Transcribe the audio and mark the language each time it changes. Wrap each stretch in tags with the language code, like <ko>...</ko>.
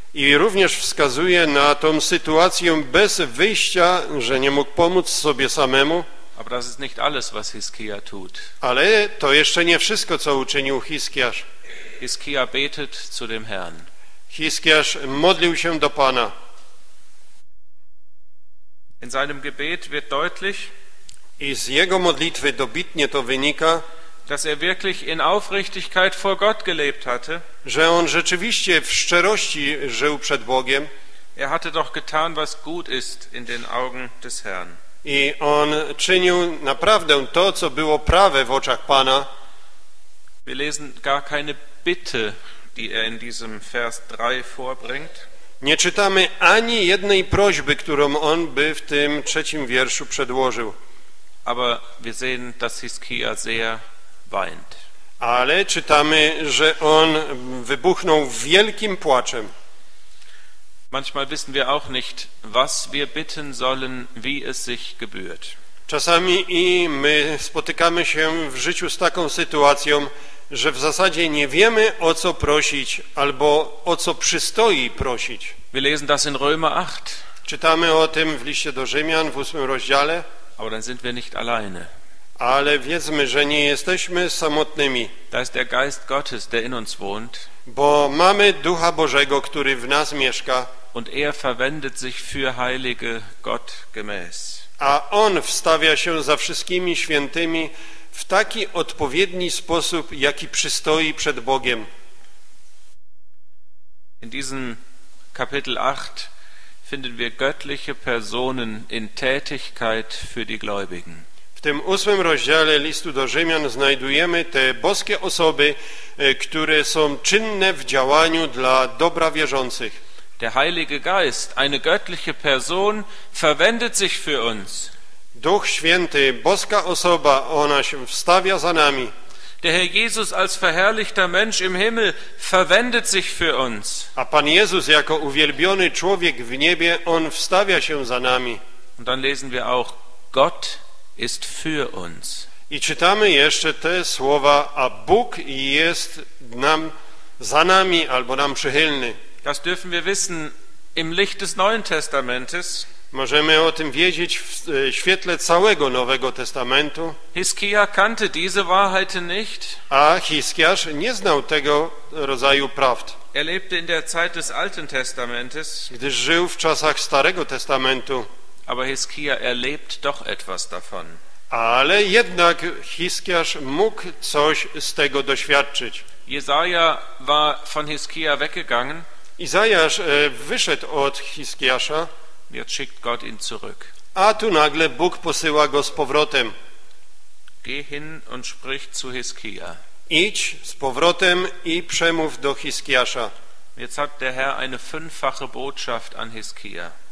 <pl>I również wskazuje na tą sytuację bez wyjścia, że nie mógł pomóc sobie samemu.</pl> <de>Aber das ist nicht alles, was Hiskia tut.</de> <pl>Ale to jeszcze nie wszystko, co uczynił Hiskiasz.</pl> <de>Hiskia betet zu dem Herrn.</de> <pl>Hiskiasz modlił się do Pana.</pl> <de>In seinem Gebet wird deutlich,</de> <pl>i z jego modlitwy dobitnie to wynika,</pl> <de>dass er wirklich in Aufrichtigkeit vor Gott gelebt hatte,</de> <pl>że on rzeczywiście w szczerości żył przed Bogiem.</pl> <de>Er hatte doch getan, was gut ist in den Augen des Herrn.</de> <pl>I on czynił naprawdę to, co było prawe w oczach Pana.</pl> <de>Wir lesen gar keine Bitte, die er in diesem Vers 3 vorbringt.</de> <pl>Nie czytamy ani jednej prośby, którą on by w tym trzecim wierszu przedłożył.</pl> <de>Aber wir sehen, dass Hiskia sehr weint.</de> <pl>Ale czytamy, że on wybuchnął wielkim płaczem.</pl> <de>Manchmal wissen wir auch nicht, was wir bitten sollen, wie es sich gebührt.</de> <pl>Czasami i my spotykamy się w życiu z taką sytuacją, że w zasadzie nie wiemy, o co prosić, albo o co przystoi prosić.</pl> <de>Wir lesen das in Römer 8.</de> <pl>Czytamy o tym w liście do Rzymian w 8 rozdziale.</pl> <de>Aber dann sind wir nicht alleine.</de> <pl>Ale wiedzmy, że nie jesteśmy samotnymi.</pl> <de>Da ist der Geist Gottes, der in uns wohnt.</de> <pl>Bo mamy Ducha Bożego, który w nas mieszka.</pl> <de>Und er verwendet sich für Heilige Gott gemäß.</de> <pl>A on wstawia się za wszystkimi świętymi w taki odpowiedni sposób, jaki przystoi przed Bogiem.</pl> <de>In diesem Kapitel 8 finden wir göttliche Personen in Tätigkeit für die Gläubigen.</de> <pl>W tym ósmym rozdziale listu do Rzymian znajdujemy te boskie osoby, które są czynne w działaniu dla dobra wierzących.</pl> <de>Der Heilige Geist, eine göttliche Person, verwendet sich für uns.</de> <pl>Duch Święty, boska osoba, ona się wstawia za nami.</pl> <de>Der Herr Jesus als verherrlichter Mensch im Himmel verwendet sich für uns.</de> <pl>A Pan Jezus jako uwielbiony człowiek w niebie, on wstawia się za nami.</pl> <de>Und dann lesen wir auch Gott ist für uns.</de> <pl>I czytamy jeszcze te słowa, a Bóg jest nam za nami albo nam przychylny.</pl> <de>Das dürfen wir wissen im Licht des Neuen Testamentes.</de> <pl>Możemy o tym wiedzieć w świetle całego Nowego Testamentu.</pl> <de>Hiskia kannte diese Wahrheiten nicht.</de> <pl>A Hiskiasz nie znał tego rodzaju prawd.</pl> <de>Er lebte in der Zeit des Alten Testamentes.</de> <pl>Gdyż żył w czasach Starego Testamentu.</pl> <de>Aber Hiskia erlebt doch etwas davon.</de> <pl>Ale jednak Hiskiasz mógł coś z tego doświadczyć.</pl> <de>Jesaja war von Hiskia weggegangen.</de> <pl>Izajasz wyszedł od Hiskiasza.</pl> <de>Jetzt schickt Gott ihn zurück.</de> <pl>A tu nagle Bóg posyła go z powrotem.</pl> <de>Geh hin und sprich zu Hiskia.</de> <pl>Idź z powrotem i przemów do Hiskiasza.</pl> <de>Jetzt hat der Herr eine fünffache Botschaft an Hiskia.</de>